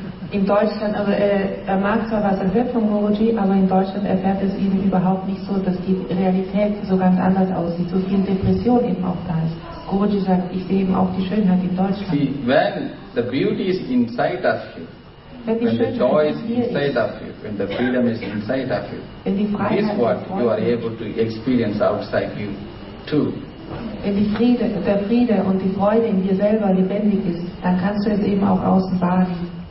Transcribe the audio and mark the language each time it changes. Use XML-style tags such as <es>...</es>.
<de>In Deutschland, also er mag zwar was er hört von Guruji, aber in Deutschland erfährt es eben überhaupt nicht so, dass die Realität so ganz anders aussieht, so viel Depression eben auch da ist. Guruji sagt, ich sehe eben auch die Schönheit in Deutschland.</de> <en>See, when the beauty is inside of you, when the joy is inside of you, when the freedom is inside of you, this is what you are able to experience outside you too.</en> <de>Wenn die Friede, der Friede und die Freude in dir selber lebendig ist, dann kannst du es eben auch außen wahrnehmen.</de>